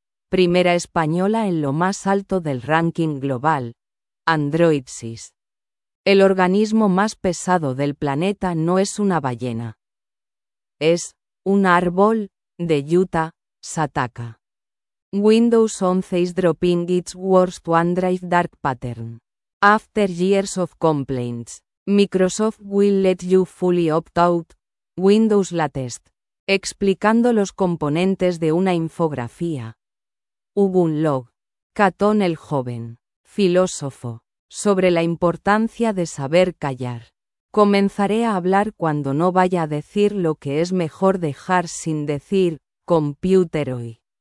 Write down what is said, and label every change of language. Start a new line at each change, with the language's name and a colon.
Spanish: Primera española en lo más alto del ranking global. Androidsis. El organismo más pesado del planeta no es una ballena. Es un árbol de Utah, Sataka.
English: Windows 11 is dropping its worst OneDrive dark pattern. After years of complaints, Microsoft will let you fully opt out. Windows latest.
Spanish: Explicando los componentes de una infografía. Ubuntu log. Catón el joven. Filósofo. Sobre la importancia de saber callar. Comenzaré a hablar cuando no vaya a decir lo que es mejor dejar sin decir, computer hoy.